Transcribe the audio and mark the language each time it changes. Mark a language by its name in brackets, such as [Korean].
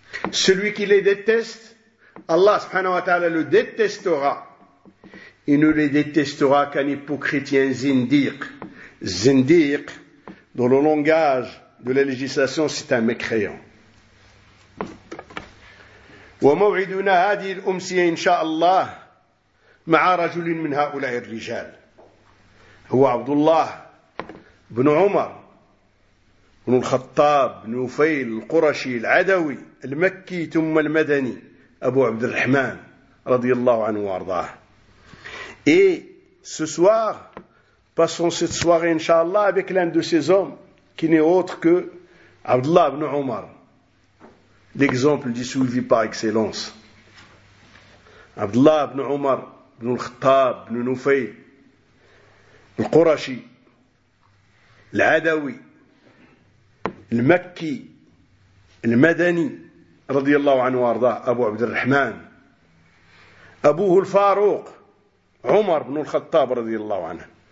[French] Celui qui les déteste, Allah subhanahu wa ta'ala le détestera. Il ne les détestera qu'un hypocrite zindiq. Zindiq, dans le langage de la législation, c'est un mécréant. [Arabic] وموعدنا هذه الأمسية إن شاء الله مع رجل من هؤلاء الرجال هو عبد الله بن عمر بن الخطاب بن نفيل القرشي العدوي المكي ثم المدني أبو عبد الرحمن رضي الله عنه وارضاه. [French] Et ce soir, passons cette soirée إن شاء الله avec l'un de ces hommes qui n'est autre que Abdullah ibn Omar, l'exemple du suivi par excellence. Abdullah ibn Omar, ibn al-Khattab, ibn Nufayl, al-Qurashi, al-Adawi, al-Makki, al-Madani, radiyallahu anhu arda, Abu Abd al-Rahman, Abuhu al-Farouq, Omar ibn al-Khattab, radiyallahu anhu.